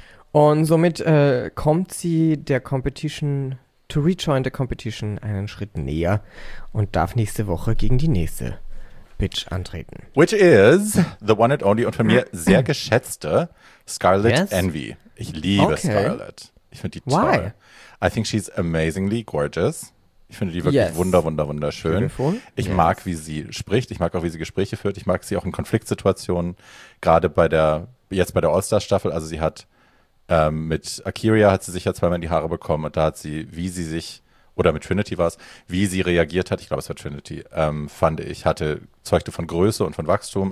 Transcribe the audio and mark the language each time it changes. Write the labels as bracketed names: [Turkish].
[German] Und somit kommt sie der Competition, [English] to rejoin the Competition, [German] einen Schritt näher und darf nächste Woche gegen die nächste Bitch antreten. [English] Which is the one and only [German] und von mir sehr geschätzte [English] Scarlett Envy. [German] Ich liebe Scarlett. Ich finde die toll. [English] Why? I think she's amazingly gorgeous. [German] Ich finde die wirklich wunderschön. Ich mag, wie sie spricht. Ich mag auch, wie sie Gespräche führt. Ich mag sie auch in Konfliktsituationen. Gerade bei der All-Star-Staffel. Also sie hat mit Akiria hat sie sich ja zweimal in die Haare bekommen. Und da hat sie, wie sie sich, oder mit Trinity war es, wie sie reagiert hat, ich glaube, es war Trinity, fand ich, zeugte von Größe und von Wachstum.